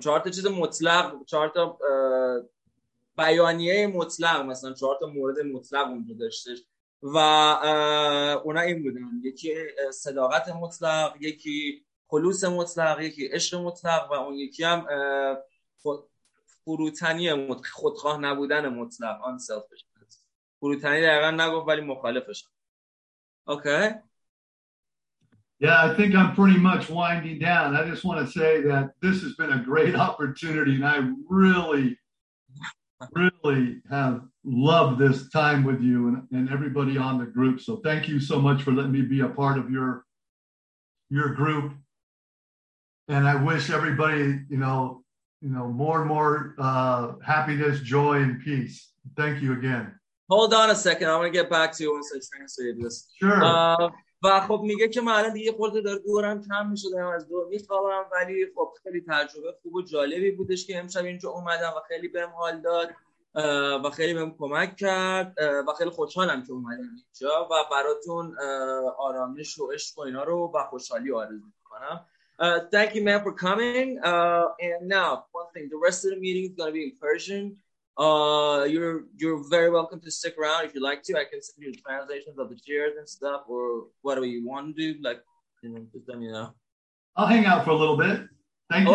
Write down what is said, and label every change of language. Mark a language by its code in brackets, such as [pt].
[fa] چیز مطلق، چهار تا بیانیه مطلق، مثلا چهار تا مورد مطلق اونجا داشتش و اونا این بودن: یکی صداقت مطلق، یکی خلوص مطلق، یکی عشق مطلق و اون یکی هم فروتنی مطلق، خودخواه نبودن مطلق، آن سلفش. فروتنی دقیقا نگفت ولی مخالفش. اوکی. [en] Yeah, I think I'm pretty much winding down. I just want to say that this has been a great opportunity, and I really, really have loved this time with you and everybody on the group. So thank you so much for letting me be a part of your group. And I wish everybody, you know, more and more happiness, joy, and peace. Thank you again. Hold on a second. I want to get back to you once I translate this. Sure. [fa] و خب میگه که من الان دیگه خورده داره دورم کم میشه، دارم از دور میخوابم، ولی خب خیلی تجربه خوب و جالبی بودش که امشب اینجا اومدم و خیلی بهم حال داد و خیلی بهم کمک کرد و خیلی خوشحالم که اومدم اینجا و براتون آرامش و عشق و اینا رو و خوشحالی آرزو میکنم. [en] Thank you, man, for coming. And now, one thing, the rest of the meeting is going to be in Persian. You're very welcome to stick around if you like to. I can send you translations of the chairs and stuff, or whatever you want to do. Like, you know, just let me know. I'll hang out for a little bit. Thank you.